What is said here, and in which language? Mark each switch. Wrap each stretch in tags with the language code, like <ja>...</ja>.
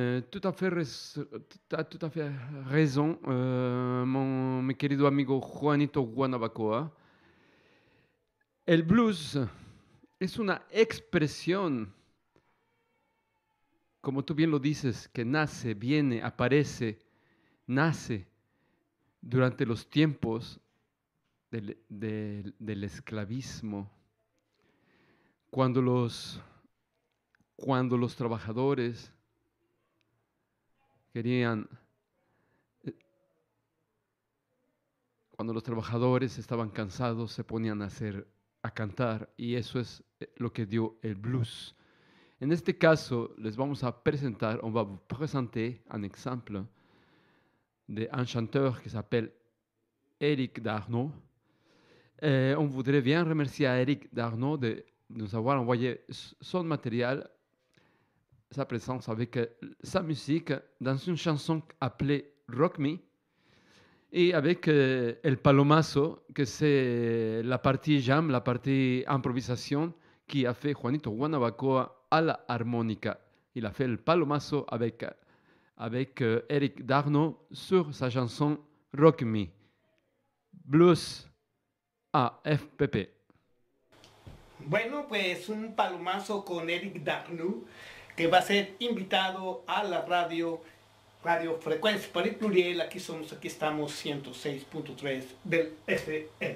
<fr>Tout à fait raison, mon</fr> <es>querido amigo</es> <fr>Juanito Guanabacoa.</fr> <es>El blues es una expresión, como tú bien lo dices, que nace, viene, aparece, nace durante los tiempos del esclavismo, cuando los trabajadores estaban cansados, se ponían a cantar, y eso es lo que dio el blues. En este caso, les vamos a presentar,</es> <fr>on va vous présenter un exemple de un chanteur que s'appelle Eric Darnaud. On voudrait bien remercier a Eric Darnaud de nous avoir envoyé son matériel, sa présence avec sa musique dans une chanson appelée Rock Me. Et avec El Palomazo, que c'est la partie jam, la partie improvisation, qui a fait Juanito Guanabacoa à la harmonica. Il a fait El Palomazo avec Eric Darnaud sur sa chanson Rock Me. Blues à FPP.</fr> <es>Bueno, pues un palomazo con Eric Darnaud, que va a ser invitado a la radio. Radio Frecuencia para el Pluriel, aquí somos, aquí estamos, 106.3 del FM.</es>